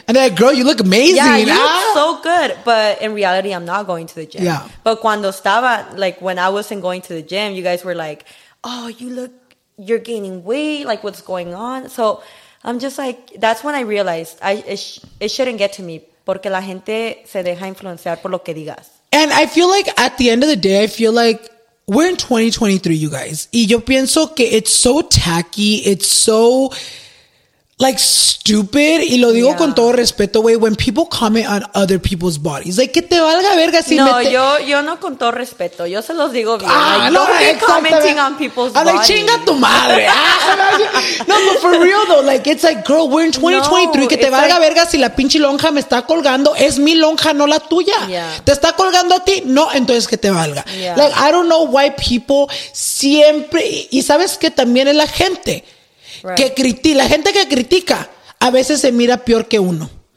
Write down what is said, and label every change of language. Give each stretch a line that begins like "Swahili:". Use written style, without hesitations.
English: And they're like, girl, you look amazing. Yeah, you look so good. But in reality, I'm not going to the gym. Yeah. But
Spanish: cuando estaba,
English: like, when I wasn't going to the gym, you guys were like, oh, you're gaining weight. Like, what's going on? So I'm just like, that's when I realized it shouldn't get to me.
Spanish: Porque la gente se deja influenciar por lo que digas.
English: And I feel like at the end of the day, I feel like we're in 2023, you guys.
Spanish: Y yo pienso que
English: it's so tacky. It's so, like, stupid.
Spanish: Y lo digo con todo respeto, güey.
English: When people comment on other people's bodies.
Spanish: Like, que te valga verga si no, me... No, yo no con todo respeto. Yo se los digo bien.
English: Commenting on people's bodies. I'm like,
Spanish: chinga tu madre.
English: No, but for real, though. Like, it's like, girl, we're in 2023.
Spanish: No, que te valga, like, verga si la pinche lonja me está colgando. Es mi lonja, no la tuya.
English: Yeah.
Spanish: ¿Te está colgando a ti? No, entonces que te valga.
English: Yeah. Like, I don't know why people
Spanish: siempre... Y sabes que también es la gente...
English: Right.
Spanish: Que critica, la gente que critica a veces se mira peor que uno.